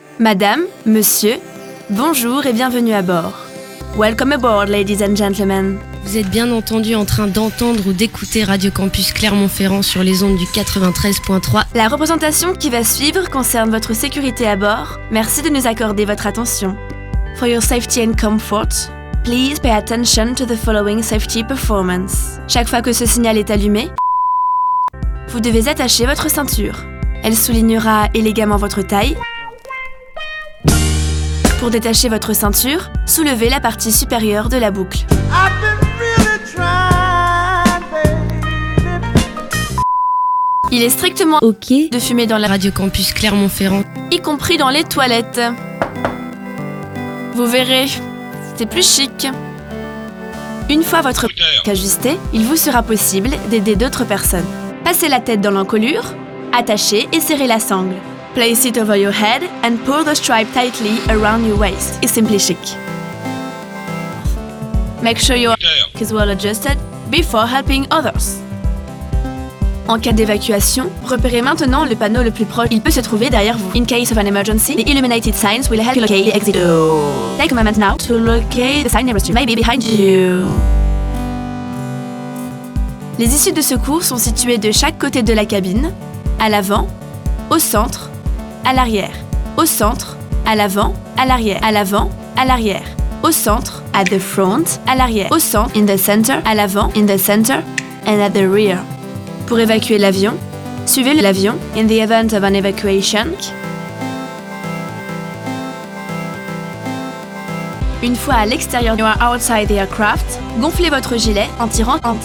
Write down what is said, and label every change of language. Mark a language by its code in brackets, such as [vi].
[fr] Madame, monsieur, bonjour et bienvenue à bord. [en] Welcome aboard, ladies and gentlemen. [fr] Vous êtes bien entendu en train d'entendre ou d'écouter Radio Campus Clermont-Ferrand sur les ondes du 93.3. La représentation qui va suivre concerne votre sécurité à bord. Merci de nous accorder votre attention. [en] For your safety and comfort, please pay attention to the following safety performance. [fr] Chaque fois que ce signal est allumé, vous devez attacher votre ceinture. Elle soulignera élégamment votre taille. Pour détacher votre ceinture, soulevez la partie supérieure de la boucle. Il est strictement OK de fumer dans la Radio Campus Clermont-Ferrand, y compris dans les toilettes. Vous verrez, c'est plus chic. Une fois votre écouteur ajusté, il vous sera possible d'aider d'autres personnes. Passez la tête dans l'encolure, attachez et serrez la sangle. [en] Place it over your head and pull the stripe tightly around your waist. It's simply chic. Make sure your [fr] écouteur [en] is well adjusted before helping others. [fr] En cas d'évacuation, repérez maintenant le panneau le plus proche. Il peut se trouver derrière vous. [en] In case of an emergency, the illuminated signs will help you locate the exit door. Take a moment now to locate the sign nearest you. Maybe behind you. [fr] Les issues de secours sont situées de chaque côté de la cabine, à l'avant, au centre, à l'arrière. Au centre, à l'avant, à l'arrière. À l'avant, à l'arrière. Au centre, [en] at the front, [fr] à l'arrière. Au centre, [en] in the center, [fr] à l'avant, [en] in the center, and at the rear. [fr] Pour évacuer l'avion, suivez l'avion [en] in the event of an evacuation. [fr] Une fois à l'extérieur, [en] you are outside the aircraft, [fr] gonflez votre gilet en tirant.